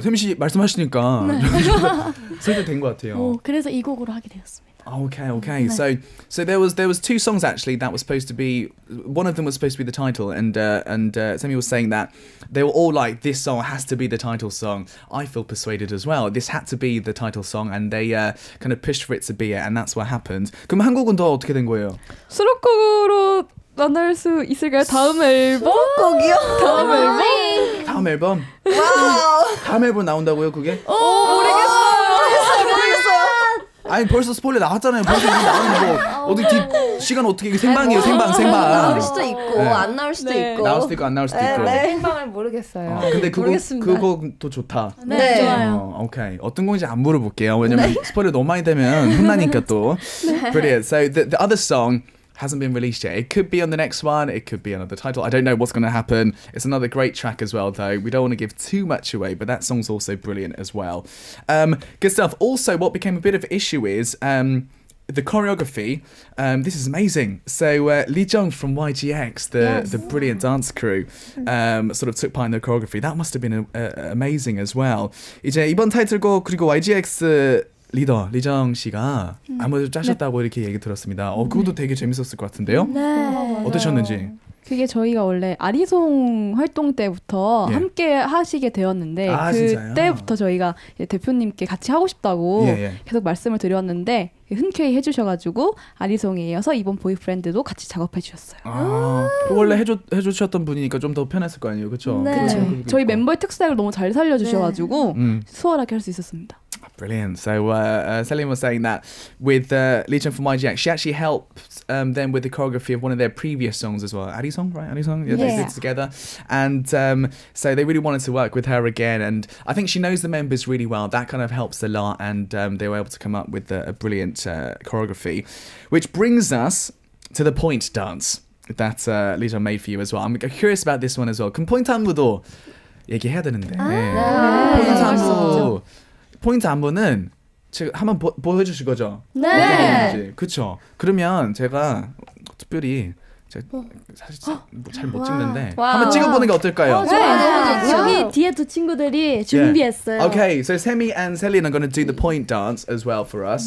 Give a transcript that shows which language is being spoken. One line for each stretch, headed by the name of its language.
Korean: 세미 씨 말씀하시니까 설득된 것 같아요. 그래서 이 곡으로 하게 되었습니다.
English: Okay. Nice. So there was two songs actually that was supposed to be, one of them was supposed to be the title, and Sammy was saying that they were all like, this song has to be the title song. I feel persuaded as well. This had to be the title song, and they kind of pushed for it to be it, and that's what happened.
Korean: 그럼 한 곡은 더 어떻게 된 거예요? 수록곡으로 만날 수 있을까요? 다음 앨범? 수록곡이요? 다음 앨범? 다음 앨범? 다음 앨범 나온다고요, 그게? 오, 모르겠어. 아니 벌써 스포일러 나왔잖아요. 벌써 이미 나왔는데 뭐 어떻게 시간 어떻게 생방이에요. 생방 나올 수도 있고 네. 안 나올 수도 네. 있고 나올 수도 있고 안 나올 수도 네, 있고 네. 생방을 모르겠어요. 근데 그곡도 좋다. 네, 네. 좋아요. 오케이 어떤 곡인지 안 물어볼게요. 왜냐면 네. 스포일러 너무 많이 되면 혼나니까 또 네.
English: Brilliant. So the other song hasn't been released yet. It could be on the next one. It could be another title. I don't know what's going to happen. It's another great track as well, though. We don't want to give too much away, but that song's also brilliant as well. Good stuff. Also, what became a bit of an issue is the choreography. This is amazing. So Lee Jung from YGX, the brilliant dance crew, sort of took part in the choreography. That must have been amazing as well.
Korean: 이제 이번 타이틀곡 그리고 YGX 리더 리정 씨가 아무래도 짜셨다고 네. 이렇게 얘기 들었습니다. 그것도 네. 되게 재밌었을 것 같은데요. 네. 어떠셨는지. 그게 저희가 원래 아리송 활동 때부터 예. 함께 하시게 되었는데 그때부터 저희가 대표님께 같이 하고 싶다고 계속 말씀을 드렸는데 흔쾌히 해주셔가지고 아리송에 이어서 이번 보이프렌드도 같이 작업해 주셨어요. 원래 해주셨던 분이니까 좀 더 편했을 거 아니에요, 그렇죠? 네. 그렇죠. 네. 저희 멤버의 특색을 너무 잘 살려주셔가지고 네. 수월하게 할 수 있었습니다.
English: Brilliant. So Selim was saying that with Lee Chen from YGX, she actually helped them with the choreography of one of their previous songs as well. Arisong, right? Arisong? Yeah. They did it together. And so they really wanted to work with her again. And I think she knows the members really well. That kind of helps a lot. And they were able to come up with a brilliant choreography. Which brings us to the point dance that Lee Chen made for you as well. I'm curious about this one as well. Can point dance
Korean: 얘기해야 되는데. 아~ 네. 네. 포인트 안무. 포인트 안무는 제가 한번 보여 주실 거죠? 네. 그렇죠. 그러면 제가 특별히 사실 뭐 잘 못 찍는데 와. 한번 찍어보는 게 어떨까요? 네. 네. 여기 뒤에 두 친구들이 준비했어요.
English: Yeah. Okay, so Sammy and Celine are going to do the point dance as well for us.